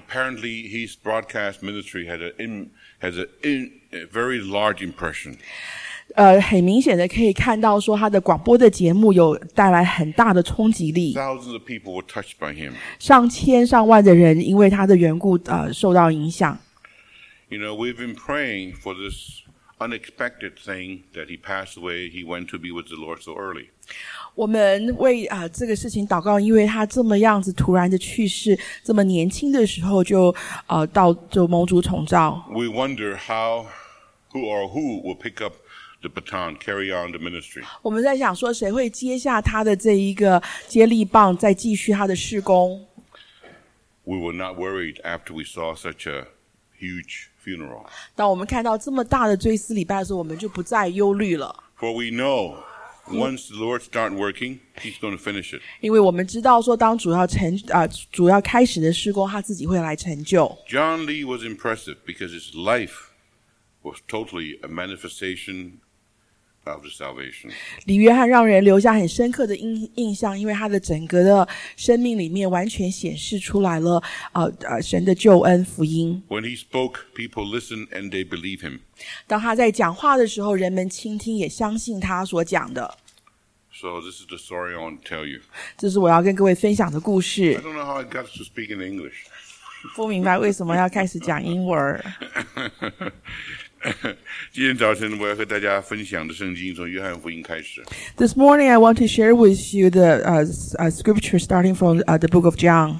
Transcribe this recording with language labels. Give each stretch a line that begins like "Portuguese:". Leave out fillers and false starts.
English: Apparently, his broadcast ministry had a very large impression.
Chinese: 很明显的可以看到说他的广播的节目有带来很大的冲击力。
English: Thousands of people were touched by him.
Chinese: 上千上万的人因为他的缘故受到影响。
English: You know, we've been praying for this unexpected thing that he passed away, he went to be with the Lord so early.
Chinese: 我们为这个事情祷告，因为他这么样子突然的去世，这么年轻的时候就蒙主统召。
English: We wonder who will pick up the baton, carry on the ministry.
Chinese: 我们在想说谁会接下他的这一个接力棒，再继续他的事工。
English: We were not worried after we saw such a huge funeral.
Chinese: 当我们看到这么大的追思礼拜的时候，我们就不再忧虑了。
English: For we know. Once the Lord starts working, He's going to finish it.
Chinese: 因为我们知道说，当主要开始的事工，他自己会来成就。
English: John Lee was impressive because his life was totally a manifestation of the salvation.
Chinese: 李约翰让人留下很深刻的印象，因为他的整个的生命里面完全显示出来了神的救恩福音。
English: When he spoke, people listened and they believe him.
Chinese: 当他在讲话的时候，人们倾听也相信他所讲的。
English: So this is the story I want to tell you.
Chinese: 这是我要跟各位分享的故事。
English: I don't know how I got to speak in English.
Chinese: 不明白为什么要开始讲英文。今天早晨我要和大家分享的圣经从约翰福音开始。
English: This morning I want to share with you the scripture starting from the book of John.